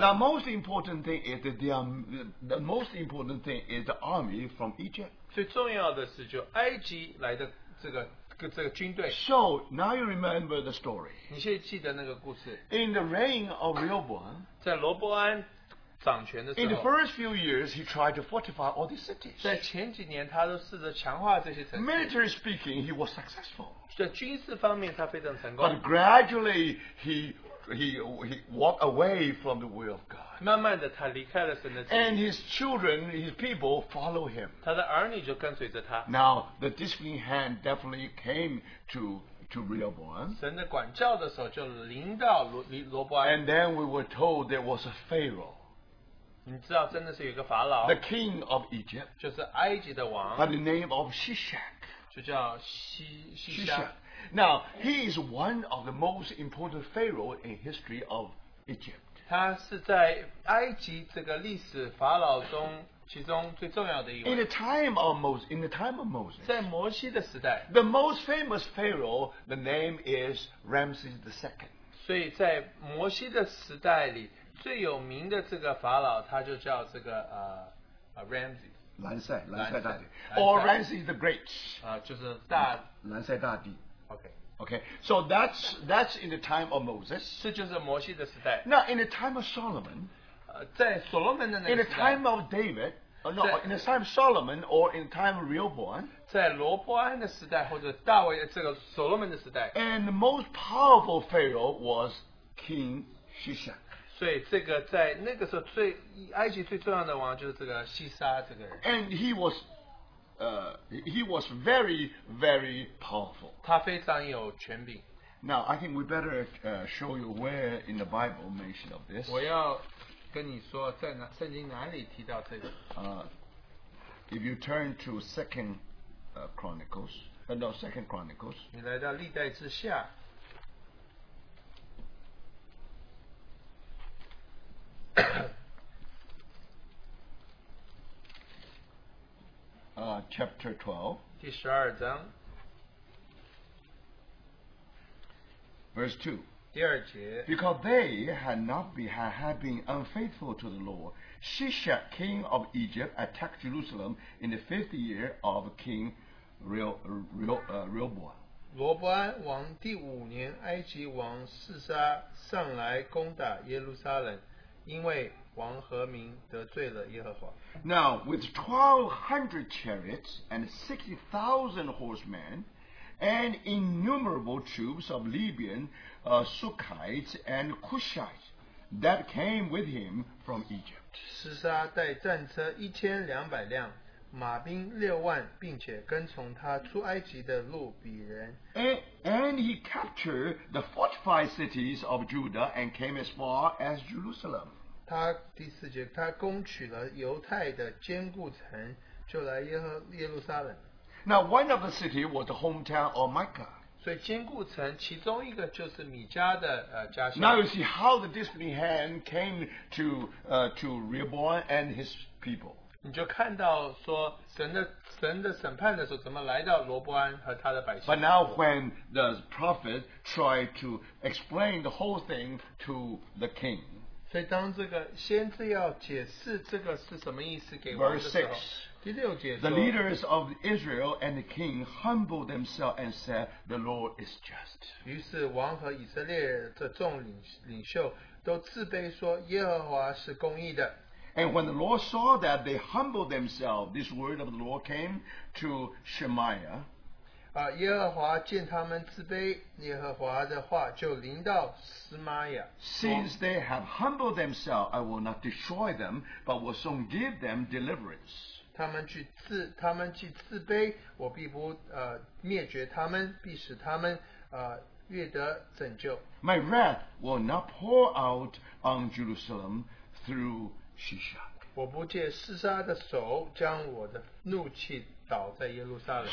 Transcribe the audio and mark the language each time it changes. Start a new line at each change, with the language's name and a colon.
English: Now most important thing is that the most important thing is the army from Egypt.
Chinese: 最重要的是就埃及来的这个军队。
English: So now you remember the story.
Chinese: 你现在记得那个故事。
English: In the reign of Rehoboam,
Chinese: 在罗伯安掌权的时候,
English: in the first few years he tried to fortify all these cities.
Chinese: 在前几年他都试着强化这些城市。
English: Military speaking, he was successful.
Chinese: 在军事方面他非常成功,
English: but gradually he walked away from the will of God.
Chinese: 慢慢的他离开了神的旨意,
English: and his children, his people follow him.
Chinese: 他的儿女就跟随着他。
English: Now the disciplining hand definitely came to Rehoboam.
Chinese: 神的管教的时候就临到罗伯安。
English: And then we were told there was a Pharaoh.
Chinese: 你知道真的是有一个法老,
English: the king of Egypt,
Chinese: 就是埃及的王,
English: by the name of Shishak.
Chinese: 就叫西夏,
English: now he is one of the most important pharaoh in history of Egypt.
Chinese: 他是在埃及这个历史法老中其中最重要的一位。
English: In the time of Moses,
Chinese: 在摩西的时代,
English: the most famous pharaoh, the name is Ramses II.
Chinese: 所以在摩西的时代里最有名的这个法老他就叫这个 Ramses
English: 蓝塞大帝, or Ramses the Great,
Chinese: 就是蓝塞大帝,
English: okay, so that's in the time of Moses.
Chinese: 这就是摩西的时代。
English: Now in the time of Solomon,
Chinese: 在所罗门的那个时代,
English: in the time of David, in the time of Solomon, or in the time of Rehoboam,
Chinese: 在罗伯安的时代或者大卫这个所罗门的时代。
English: And the most powerful pharaoh was King Shishak.
Chinese: 所以这个在那个时候最埃及最重要的王就是这个西沙这个人。
English: And he was very very powerful.
Chinese: 他非常有权柄。
English: Now, I think we better show you where in the Bible mention of this.
Chinese: 我要跟你说在哪圣经哪里提到这个。
English: If you turn to Second Chronicles, Second Chronicles.
Chinese: 你来到历代之下。
English: Chapter 12.
Chinese: 第十二章。
English: Verse 2.
Chinese: 第二节,
English: because they had been unfaithful to the Lord, Shishak, king of Egypt, attacked Jerusalem in the fifth year of King Rehoboam.
Chinese: 罗伯安王第五年，埃及王示沙上来攻打耶路撒冷，因为王和民得罪了耶和华。
English: Now, with 1,200 chariots and 60,000 horsemen,and innumerable troops of Libyan Sukkites and Cushites that came with him from Egypt.
Chinese: 施沙带战车1200辆，马兵60,000，并且跟从他出埃及的路比人。
English: And he captured the fortified cities of Judah and came as far as Jerusalem.
Chinese: 他第四节，他攻取了犹太的坚固城，就来耶路撒冷。
English: Now, one of the cities was the hometown of Micah.
Chinese: 所以坚固城其中一个就是米迦的家乡。
English: Now you see how the disciplining hand came to Rehoboam and his people.
Chinese: 你就看到说神的审判的时候怎么来到罗伯安和他的百姓。
English: But now when the prophet tried to explain the whole thing to the king.
Chinese: 所以当这个先知要解释这个是什么意思给王的时候。
English: The leaders of Israel and the king humbled themselves and said, "The Lord is just."
Chinese: 于是王和以色列的众领袖都自卑说，耶和华是公义的。
English: And when the Lord saw that they humbled themselves, this word of the Lord came to Shemaiah.
Chinese: 耶和华见他们自卑，耶和华的话就临到司马雅。
English: Since they have humbled themselves, I will not destroy them, but will soon give them deliverance.
Chinese: 他们既自卑，我必不灭绝他们，必使他们越得拯救。
English: My wrath will not pour out on Jerusalem through Shishak.
Chinese: 我不借示沙的手将我的怒气倒在耶路撒冷。